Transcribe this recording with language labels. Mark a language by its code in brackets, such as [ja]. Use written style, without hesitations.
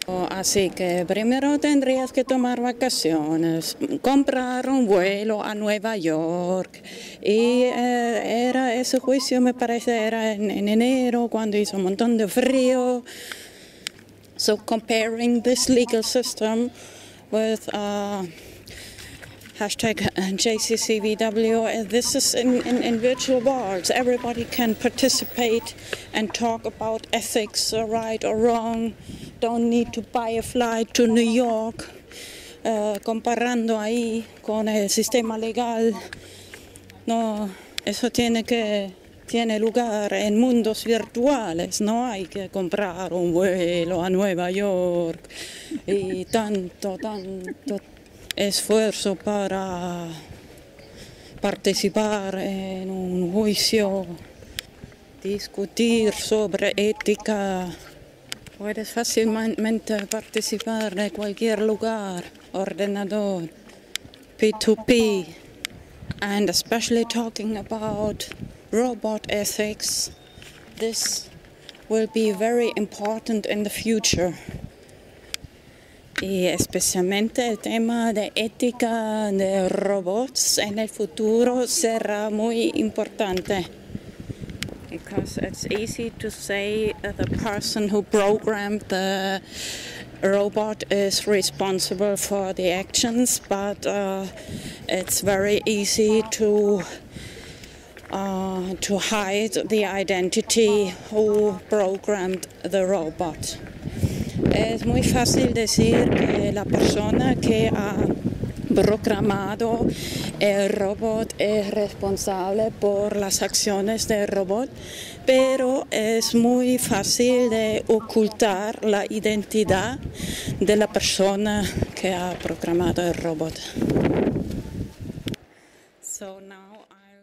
[es] Así que primero tendrías que tomar vacaciones, comprar un vuelo a Nueva York. Y era ese juicio, me parece, era en enero, cuando hizo un montón de frío. [en] So comparing this legal system with hashtag JCCVW, this is in virtual worlds. Everybody can participate and talk about ethics, right or wrong. Don't need to buy a flight to New York. [es] Comparando ahí con el sistema legal, no, eso tiene lugar en mundos virtuales. No hay que comprar un vuelo a Nueva York y tanto esfuerzo para participar en un juicio, discutir sobre ética. Puedes fácilmente participar en cualquier lugar, ordenador, P2P. [en] And especially talking about robot ethics, this will be very important in the future. [es] Y especialmente el tema de ética de robots en el futuro será muy importante. [en] Because it's easy to say that the person who programmed the robot is responsible for the actions, but it's very easy to hide the identity who programmed the robot. [es] Es muy fácil decir que la persona que ha programado el robot es responsable por las acciones del robot, pero es muy fácil de ocultar la identidad de la persona que ha programado el robot. [en] So now I-